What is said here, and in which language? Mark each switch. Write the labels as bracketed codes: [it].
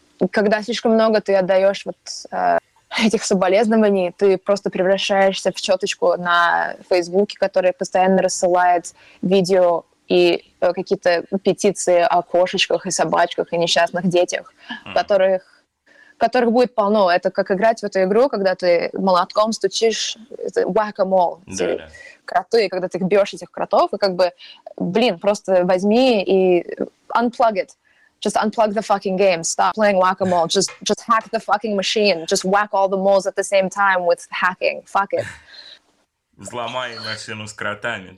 [ru] Когда слишком много ты отдаешь вот этих соболезнований, ты просто превращаешься в чёточку на Фейсбуке, которая постоянно рассылает видео и какие-то петиции о кошечках и собачках и несчастных детях, которых будет полно. Это как играть в эту игру, когда ты молотком стучишь whack-a-mole. Да. Кроты, когда ты бьешь этих кротов, и как бы, блин, просто возьми и [en] unplug it. Just unplug the fucking game. Stop playing whack-a-mole. Just hack the fucking machine. Just whack all the moles at the same time with hacking. Fuck it. [ru] Взломай машину с кротами.